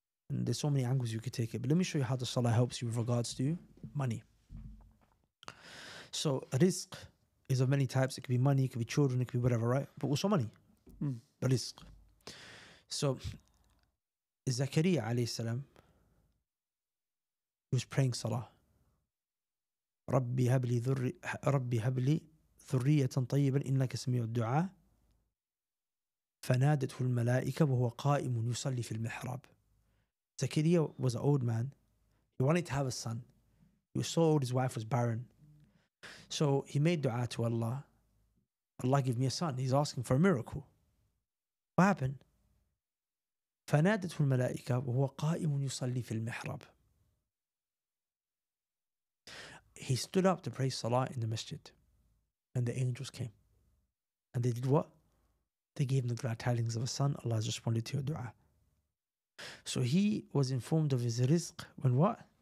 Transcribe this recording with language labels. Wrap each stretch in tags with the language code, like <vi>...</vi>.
<en>And there's so many angles you could take it. But let me show you how the salah helps you with regards to money. So rizq is of many types. It could be money, it could be children, it could be whatever, right? But also money. Mm. But rizq. So Zakariya alayhi salam, he was praying salah.</en> <ar>ربي هب لي ذرية طيبا إنك سميع الدعاء فنادته الملائكة وهو قائم يصلي في المحراب.</ar> <en>Zakariya was an old man. He wanted to have a son. He was so old, his wife was barren. So he made dua to Allah. Allah give me a son. He's asking for a miracle. What happened?</en> <ar>فنادته الملائكة وهو قائم يصلي في المحراب.</ar> <en>He stood up to pray salah in the masjid. And the angels came. And they did what? They gave him the glad tidings of a son. Allah has responded to your dua. So he was informed of his rizq. When what?</en>